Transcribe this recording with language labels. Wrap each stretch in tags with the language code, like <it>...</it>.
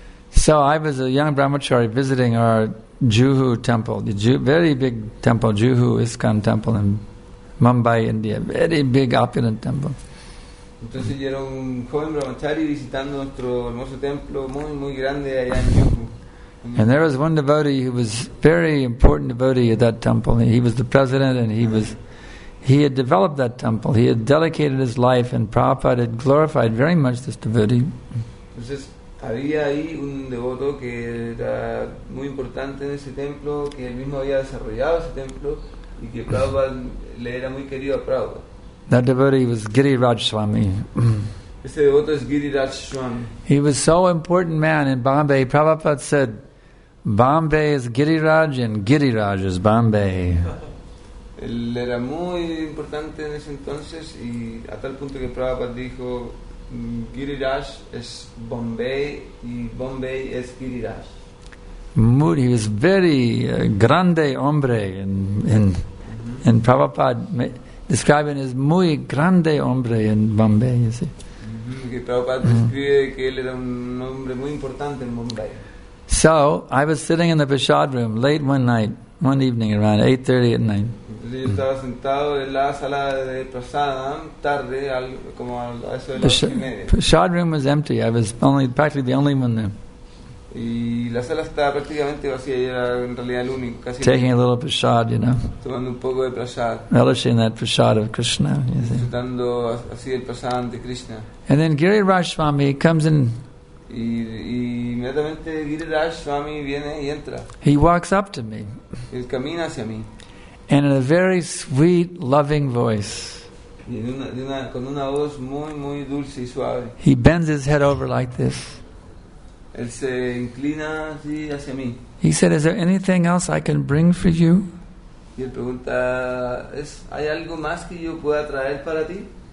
<en>So I was a young brahmachari visiting our Juhu temple, the very big temple, Juhu Iskan temple in Mumbai, India. Very big, opulent temple.</en> <es>Entonces yo era un joven brahmachari visitando nuestro hermoso templo muy, muy grande allá en Juhu.</es> <en>And there was one devotee who was very important devotee at that temple. He was the president and he had developed that temple. He had dedicated his life and Prabhupada had glorified very much this devotee.</en> <es>Entonces, había ahí un devoto que era muy importante en ese templo, que él mismo había desarrollado ese templo y que Prabhupada le era muy querido a Prabhupada.</es> <en>That devotee was Giriraj Swami.</en> <es>Ese devoto es Giriraj Swami.</es> <en>He was so important man in Bombay. Prabhupada said, Bombay is Giriraj and Giriraj is Bombay.</en> <es>Él era muy importante en ese entonces y a tal punto que Prabhupada dijo, Giriraj es Bombay y Bombay es Giriraj.</es> <en>He was very</en> <es>grande hombre</es> <en>and Prabhupada described him as</en> <es>muy grande hombre</es> <en>in Bombay, you see. Mm-hmm.</en> <es>que Prabhupada describe que él era un hombre muy importante en Mumbai.</es> <en>So, I was sitting in the Vishad room late one night, one evening around 8:30 at night. The Vishad room was empty. I was only practically the only one there.</en> <es>Y la sala estaba prácticamente vacía, y era en realidad el único, casi</es> <en>taking a little prasad, you know,</en> <es>tomando un poco de prasad,</es> <en>relishing that prasad of Krishna,</en> <es>disfrutando así el prasad de Krishna.</es> <en>And then Giriraj Swami comes in.</en> <es>Y inmediatamente Giriraj Swami viene y entra.</es> <en>He walks up to me.</en> <es>Él camina hacia mí.</es> <en>And in a very sweet, loving voice.</en> <es>Y con una voz muy muy dulce y suave.</es> <en>He bends his head over like this.</en> <es>Él se inclina así hacia mí.</es> <en>He said, "Is there anything else I can bring for you?"</en> <es>Y él pregunta, ¿hay algo más que yo pueda traer para ti?</es>